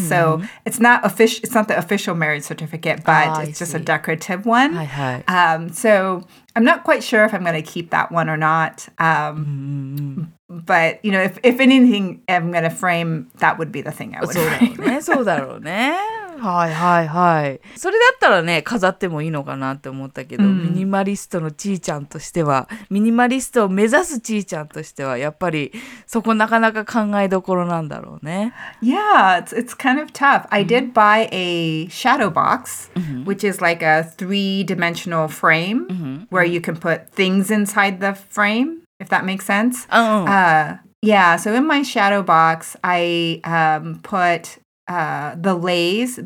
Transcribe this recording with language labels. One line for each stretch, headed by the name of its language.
English: So it's not official, it's not the official marriage certificate, but it's just a decorative one. So I'm not quite sure if I'm going to keep that one or not. But, you know, if anything, I'm going to frame, that would be the thing I would frame.
Japanese: そうだろうね。はいはいはい。それだったらね、飾ってもいいのかなって思ったけど、ミニマリストのちーちゃんとしては、ミニマリストを目指すちーちゃんとしては、やっぱりそこなかなか考えどころなんだろうね。
English: Yeah, it's kind of tough. I did buy a shadow box, which is like a three-dimensional frame, where you can put things inside the frame. If that makes sense. Yeah, so in my shadow box, I put the leis.